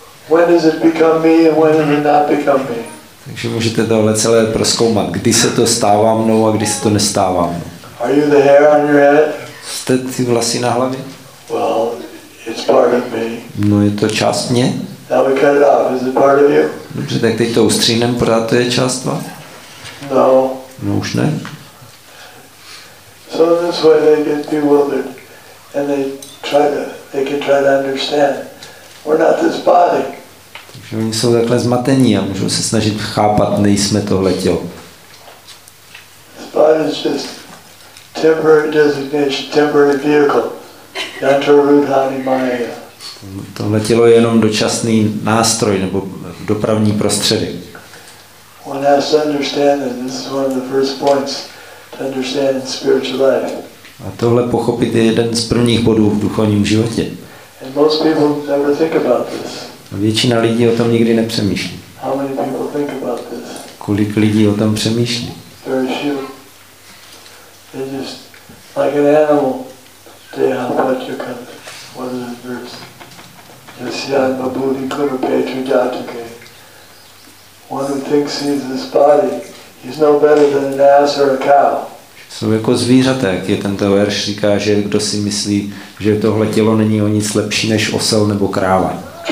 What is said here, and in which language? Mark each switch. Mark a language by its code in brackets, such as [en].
[en] When does it become me and when does it not become me? [cs] Takže můžete tohle celé prozkoumat. Kdy se to stává mnou a kdy se to nestává mnou. [en] Are you the hair on your head? [cs] Jste ty vlasy na hlavě? [en] Well, it's part of me. [cs] No je to část mě. [en] Now we cut it off. Is it part of you? [cs] Dobře, tak teď to ustříhneme, pořád to je část vás. [en] No. [cs] No už ne. [en] So this way they get bewildered and they can try to understand. We're not this body. [cs] Takže oni jsou takhle zmatení a můžou se snažit chápat, nejsme tohle tělo. [en] This body is just temporary designation, temporary vehicle. [sa] Yantarudhani Maya. [cs] To letělo jenom dočasný nástroj nebo dopravní prostředek. [en] One has to understand that this is one of the first points to understand in spiritual life. [cs] A tohle pochopit je jeden z prvních bodů v duchovním životě. [en] And most people never think about this. [cs] A většina lidí o tom nikdy nepřemýšlí. [en] How many people think about this? [cs] Kolik lidí o tom přemýšlí? [en] Very few. They just like an animal. They have what you can. What is the verse? [sa] Yasyan babuni kuru patriotike. [en] One who thinks he is this body, he's no better than an ass or a cow. [cs] Jsou jako zvířata, jak je tento verš říká, že kdo si myslí, že tohle tělo není o nic lepší než osel nebo kráva.